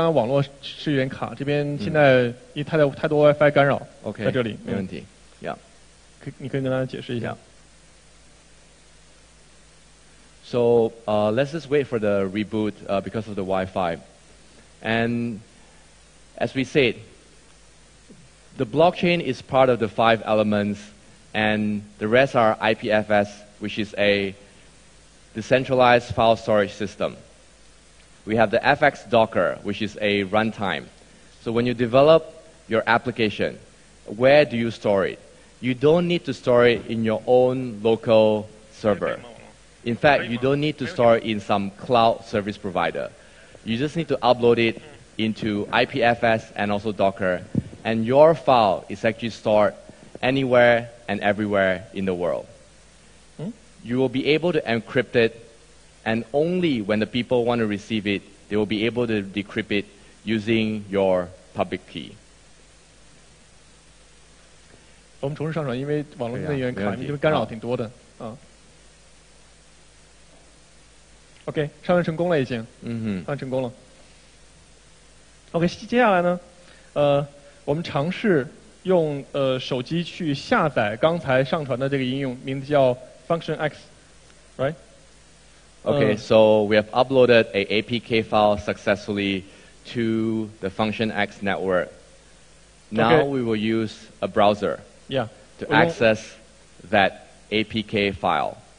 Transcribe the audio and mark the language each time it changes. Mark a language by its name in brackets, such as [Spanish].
[Chinese] 我们重试一下上传，因为刚刚网络是有点卡，这边现在因为太多 WiFi 干扰，在这里。 OK， 没问题。Yeah. 你可以跟大家解释一下。 [English] So let's just wait for the reboot because of the Wi-Fi. And as we said, the blockchain is part of the five elements, and the rest are IPFS, which is a decentralized file storage system. We have the FX Docker, which is a runtime. So when you develop your application, where do you store it? You don't need to store it in your own local server. In fact, you don't need to store it in some cloud service provider. You just need to upload it into IPFS and also Docker, and your file is actually stored anywhere and everywhere in the world. You will be able to encrypt it, and only when the people want to receive it, they will be able to decrypt it using your public key. [Chinese] 我们重新上传，因为网络内源卡，因为干扰挺多的。 OK， 上传成功了已经。嗯哼，上传成功了。OK， 接下来呢，我们尝试用手机去下载刚才上传的这个应用，名字叫 Function X，right？Okay, [English] so we have uploaded a APK file successfully to the Function X network. Now we will use a browser to access that APK file.